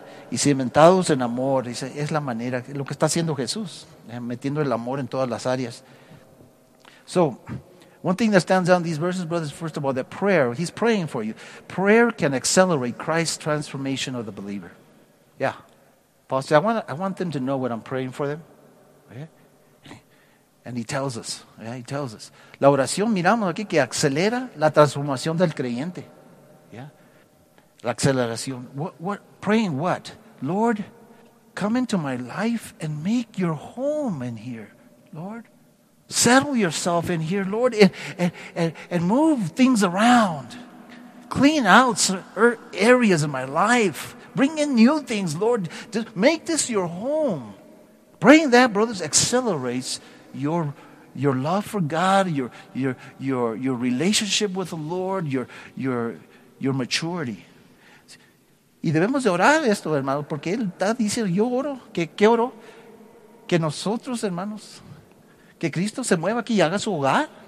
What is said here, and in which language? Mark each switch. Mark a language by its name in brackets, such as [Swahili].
[Spanish] y cimentados en amor, dice, es la manera, lo que está haciendo Jesús, metiendo el amor en todas las áreas. [English] So, one thing that stands out in these verses, brothers, first of all, that prayer, he's praying for you. Prayer can accelerate Christ's transformation of the believer. Yeah. Paul said, I want them to know what I'm praying for them. Okay? And he tells us. Yeah, he tells us. [Spanish] La oración, miramos aquí, que acelera la transformación del creyente. [English] Yeah. [Spanish] La aceleración. [English] What, praying what? Lord, come into my life and make your home in here. Lord, settle yourself in here, Lord, and move things around. Clean out areas of my life. Bring in new things, Lord. Just make this your home. Praying that, brothers, accelerates your love for God, your relationship with the Lord, your maturity. [Spanish] Y debemos de orar esto, hermano, porque él está diciendo, yo oro, que oro, que nosotros, hermanos, que Cristo se mueva aquí y haga su hogar.